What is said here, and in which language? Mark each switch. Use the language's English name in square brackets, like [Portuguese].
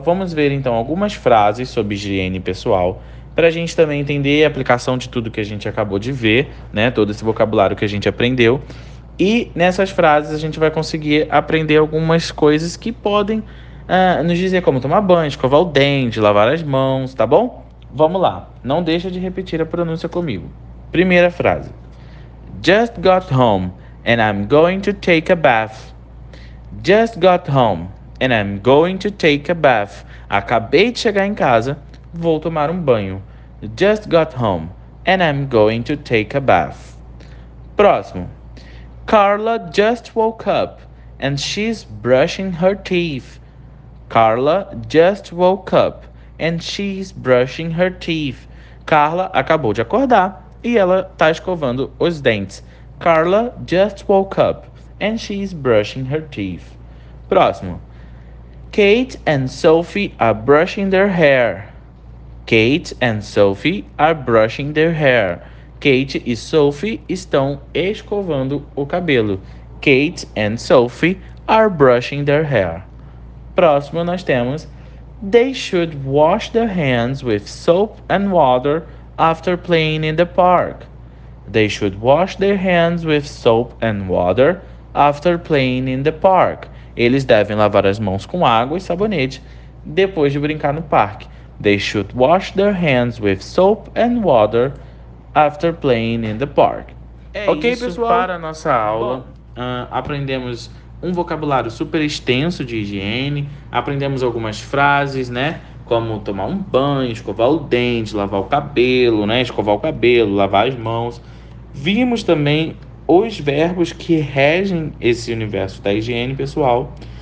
[Portuguese] Vamos ver então algumas frases sobre higiene pessoal para a gente também entender a aplicação de tudo que a gente acabou de ver, né? Todo esse vocabulário que a gente aprendeu. E nessas frases a gente vai conseguir aprender algumas coisas que podem nos dizer como tomar banho, escovar o dente, lavar as mãos, tá bom? Vamos lá. Não deixa de repetir a pronúncia comigo. Primeira frase: [English] Just got home and I'm going to take a bath. Just got home and I'm going to take a bath. [Portuguese] Acabei de chegar em casa, vou tomar um banho. [English] Just got home and I'm going to take a bath. [Portuguese] Próximo. [English] Carla just woke up and she's brushing her teeth. Carla just woke up and she's brushing her teeth. [Portuguese] Carla acabou de acordar e ela está escovando os dentes. [English] Carla just woke up and she's brushing her teeth. [Portuguese] Próximo. [English] Kate and Sophie are brushing their hair. Kate and Sophie are brushing their hair. [Portuguese] Kate e Sophie estão escovando o cabelo. [English] Kate and Sophie are brushing their hair. [Portuguese] Próximo [English] nós temos. They should wash their hands with soap and water after playing in the park. They should wash their hands with soap and water after playing in the park. [Portuguese] Eles devem lavar as mãos com água e sabonete depois de brincar no parque. [English] They should wash their hands with soap and water after playing in the park. [Portuguese] É Ok, isso pessoal? para a nossa aula. Bom, aprendemos um vocabulário super extenso de higiene, aprendemos algumas frases, né? Como tomar um banho, escovar o dente, lavar o cabelo, né? Escovar o cabelo, lavar as mãos. Vimos também os verbos que regem esse universo da higiene pessoal.